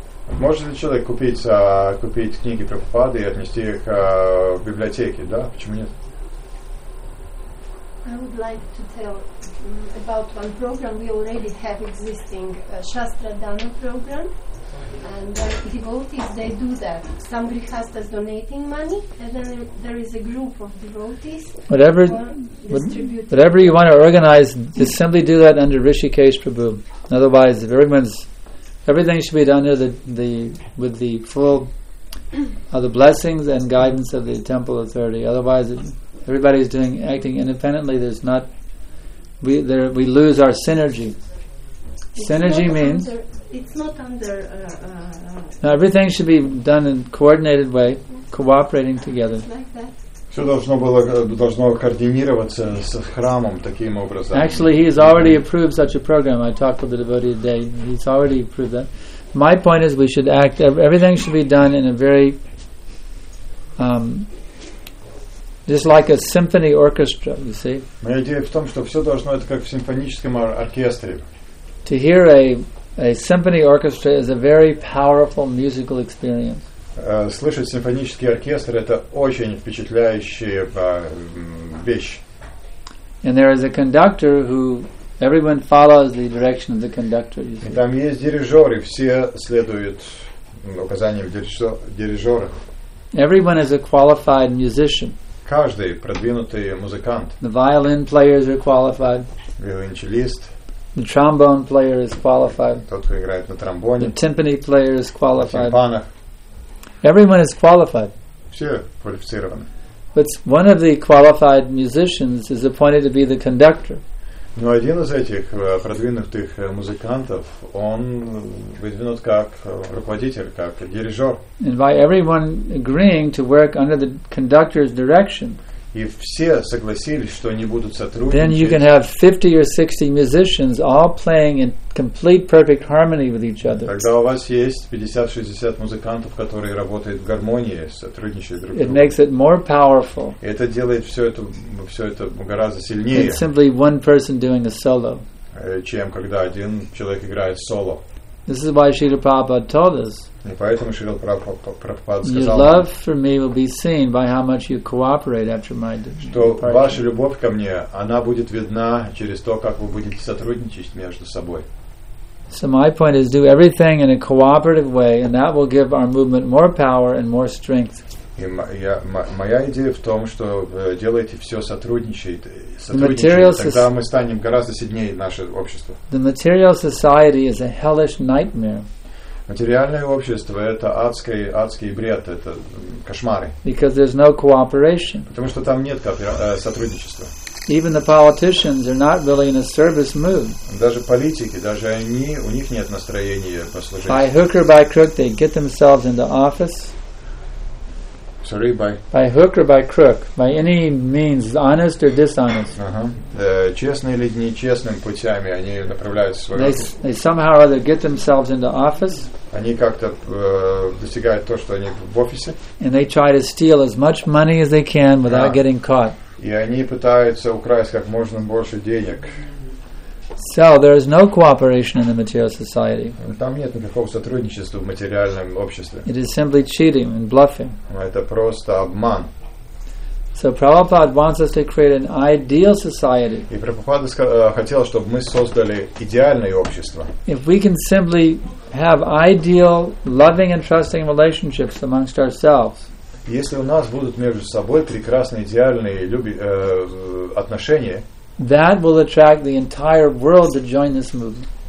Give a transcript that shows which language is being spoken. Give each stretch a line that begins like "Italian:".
Russian: Может ли человек купить, купить книги Прабхупады и отнести их в библиотеке, да? Почему нет?
English: I would like to tell about one program we already have existing, Shastra Dana program. And devotees, they do that. Some grihastas donating money, and then there is a group of devotees. Whatever you want to organize, just simply do that under Rishikesh Prabhu. Otherwise, everything should be done with the full the blessings and guidance of the temple authority. Otherwise, everybody is acting independently. We lose our synergy. It's not under. Now everything should be done in coordinated way, cooperating together.
Russian: Все должно координироваться с храмом таким образом.
English: Actually, he has already approved such a program. I talked with the devotee today. He's already approved that. My point is, we should act. Everything should be done in a very, just like a symphony orchestra. You see.
Russian: Моя идея в том, что все должно это как в симфоническом оркестре.
English: To hear a symphony orchestra is a very powerful musical experience.
Russian: Слышать симфонический оркестр — это очень впечатляющая вещь.
English: And there is a conductor who everyone follows the direction of the conductor.
Russian: И там есть дирижеры, все следуют указаниям дирижера.
English: Everyone is a qualified musician.
Russian: Каждый продвинутый музыкант.
English: The violin players are qualified.
Russian: Виолончелист.
English: The trombone player is qualified.
Russian: Тот, кто играет на тромбоне.
English: The timpani player is qualified.
Russian: На тимпанах.
English: Everyone is qualified.
Russian: Все квалифицированы.
English: But one of the qualified musicians is appointed to be the conductor.
Russian: Но один из этих продвинутых музыкантов, он выдвинут как руководитель, как дирижер.
English: And by everyone agreeing to work under the conductor's direction.
Russian: И все согласились, что они будут сотрудничать.
English: Then you can have 50 or 60 musicians all playing in complete perfect harmony with each other.
Russian: Тогда у вас есть 50-60 музыкантов, которые работают в гармонии, сотрудничают друг с другом.
English: It makes it more powerful.
Russian: Это делает все это гораздо сильнее.
English: It's simply one person doing a solo.
Russian: Чем когда один человек играет соло.
English: This is why Srila Prabhupada told us.
Russian: И поэтому Шрила Прабхупада сказал.
English: Your love for me will be seen by how much you cooperate after my departure.
Russian: Что ваша любовь ко мне, она будет видна через то, как вы будете сотрудничать между собой.
English: So my point is, do everything in a cooperative way, and that will give our movement more power and more strength.
Russian: И моя идея в том, что делайте все сотрудничайте, тогда мы станем гораздо сильнее наше общество.
English: The material society is a hellish nightmare.
Russian: Материальное общество — это адский бред, это кошмары.
English: Because there's no cooperation.
Russian: Потому что там нет сотрудничества.
English: Even the politicians are not really in a service mood.
Russian: Даже политики, даже они, у них нет настроения послужить.
English: By hook or by crook, they get themselves into office. Sorry, by hook or by crook, by any means, honest or dishonest.
Russian: Честными или нечестными путями они направляют свой.
English: They somehow or other get themselves into office.
Russian: Они как-то достигают то, что они в офисе.
English: And they try to steal as much money as they can without getting caught.
Russian: И они пытаются украсть как можно больше денег.
English: So there is no cooperation in the material society.
Russian: Там нет никакого сотрудничества в материальном обществе.
English: It is simply cheating and bluffing.
Russian: Это просто обман.
English: So Prabhupada wants us to create an ideal society.
Russian: И Прабхупада хотел, чтобы мы создали идеальное общество.
English: If we can simply have ideal, loving and trusting relationships amongst ourselves.
Russian: Если у нас будут между собой прекрасные, идеальные отношения.
English: That will attract the entire world to join this movement.